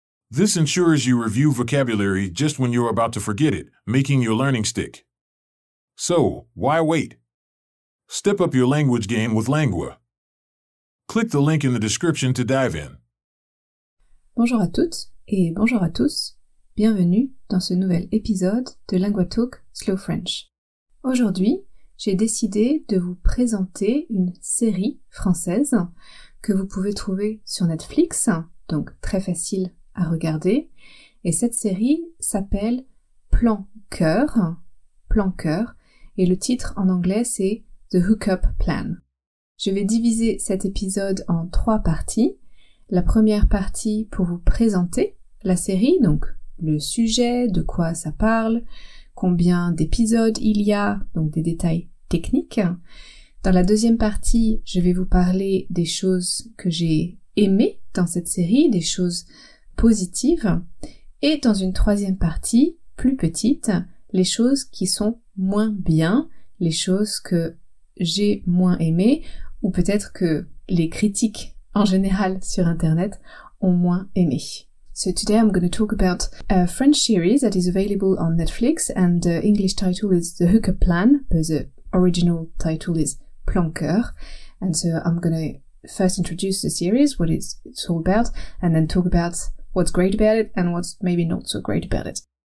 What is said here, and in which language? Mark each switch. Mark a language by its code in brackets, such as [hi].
[en] This ensures you review vocabulary just when you're about to forget it, making your learning stick. So, why wait? Step up your language game with Lengua. Click the link in the description to dive in. [fr] Bonjour à toutes et bonjour à tous. Bienvenue dans ce nouvel épisode de Lengua Talk Slow French. Aujourd'hui, j'ai décidé de vous présenter une série française que vous pouvez trouver sur Netflix, donc très facile à regarder. Et cette série s'appelle Plan Cœur. Plan Cœur. Et le titre en anglais, c'est The Hookup Plan. Je vais diviser cet épisode en trois parties. La première partie pour vous présenter la série, donc le sujet, de quoi ça parle, combien d'épisodes il y a, donc des détails techniques. Dans la deuxième partie, je vais vous parler des choses que j'ai aimées dans cette série, des choses positives. Et dans une troisième partie, plus petite, les choses qui sont moins bien, les choses que j'ai moins aimées, ou peut-être que les critiques en général sur Internet ont moins aimé. [en] So today I'm going to talk about a French series that is available on Netflix, and the English title is The Hookup Plan, but the original title is Plan Cœur. And so I'm going to first introduce the series, what it's all about, and then talk about what's great about it and what's maybe not so great about it.